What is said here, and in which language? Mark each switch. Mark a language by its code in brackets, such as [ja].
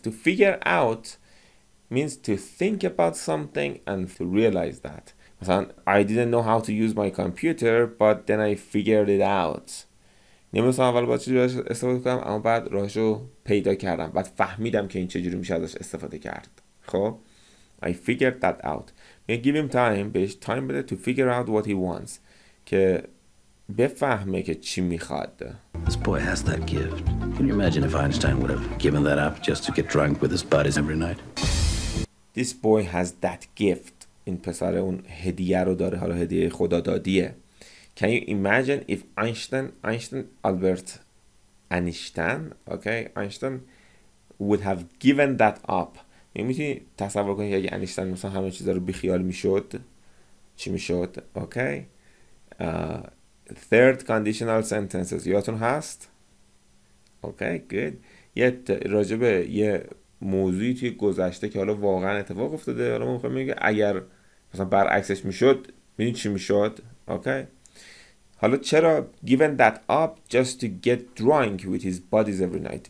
[en] To figure out means to think about something and to realize that. I didn't know how to use my computer, but then I figured it out. [fa] نمی‌دونستم اول باید چجوری ازش استفاده کنم، اما بعد راهشو پیدا کردم. بعد فهمیدم که این چجوری میشه ازش استفاده کرد. خب؟ [en] I figured that out. [fa] میگه [en] give him time. [fa] بهش time بده [en] to figure out what he wants. [fa] که بفهمه که چی میخواد. [en] This boy has that gift. Can you imagine if Einstein would have given that up just to get drunk with his buddies every night? This boy has that gift. [fa] این پسر اون هدیه رو داره، حالا هدیه خدا دادیه. [en] Can you imagine if Einstein Albert Einstein okay Einstein would have given that up. [fa] میتونی تصور کنی اگه انیشتن مثلا همه چیزا رو بیخیال میشد چی میشد؟ اوکی. [en] Third conditional sentences [fa] یادتون هست؟ اوکی گود. یه راجبه یه موضوعی توی گذشته که حالا واقعا اتفاق افتاده، حالا ما میخوایم بگیم اگر مثلا برعکسش میشد میدونی چی میشد؟ اوکی. حالا چرا [en] given that up just to get drunk with his buddies every night.